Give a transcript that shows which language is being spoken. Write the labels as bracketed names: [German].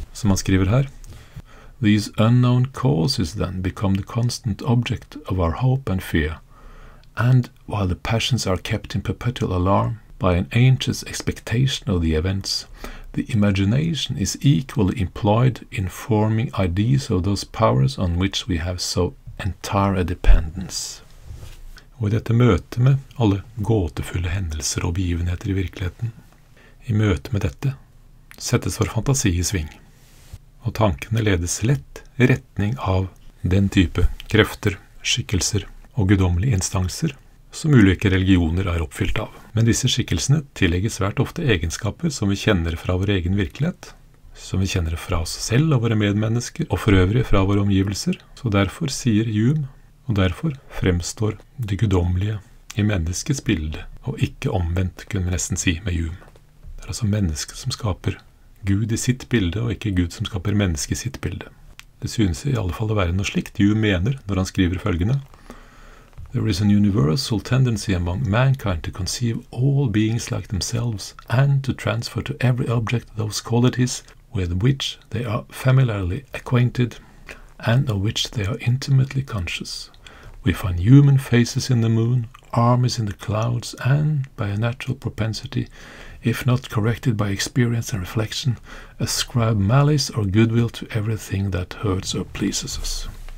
[Norwegian] Som han skriver her, [English] These unknown causes then become the constant object of our hope and fear, and while the passions are kept in perpetual alarm by an anxious expectation of the events, the imagination is equally employed in forming ideas of those powers on which we have so entire dependence. [Norwegian] Og i dette møte med alle gåtefulle hendelser og begivenheter i virkeligheten, i møte med dette, settes vår fantasi i sving, og tankene ledes lett i retning av den type krefter, skikkelser og guddommelige instanser som ulike religioner er oppfylt av. Men disse skikkelsene tillegges svært ofte egenskaper som vi kjenner fra vår egen virkelighet, som vi kjenner fra oss selv og våre medmennesker, og for øvrig fra våre omgivelser. Så derfor sier Hume, og derfor fremstår det guddommelige i menneskets bilde, og ikke omvendt, kunne vi nesten si med Hume. Det er altså mennesket som skaper Gud i sitt bilde, og ikke Gud som skaper menneske i sitt bilde. Det synes i alle fall å være noe slikt Hume mener når han skriver følgende. [English] There is an universal tendency among mankind to conceive all beings like themselves and to transfer to every object those qualities with which they are familiarly acquainted and of which they are intimately conscious. We find human faces in the moon, armies in the clouds, and, by a natural propensity, if not corrected by experience and reflection, ascribe malice or goodwill to everything that hurts or pleases us.